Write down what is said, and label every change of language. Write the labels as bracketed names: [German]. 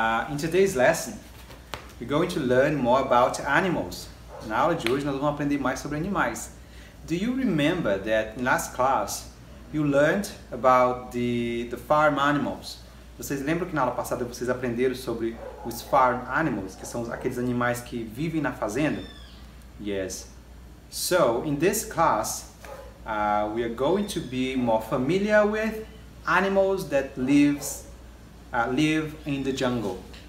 [English] In today's lesson, we're going to learn more about animals. [Portuguese] Na aula de hoje, nós vamos aprender mais sobre animais. [English] Do you remember that in last class, you learned about the farm animals? [Portuguese] Vocês lembram que na aula passada vocês aprenderam sobre os farm animals, que são aqueles animais que vivem na fazenda? [English] Yes. So, in this class, we are going to be more familiar with animals that live in the jungle.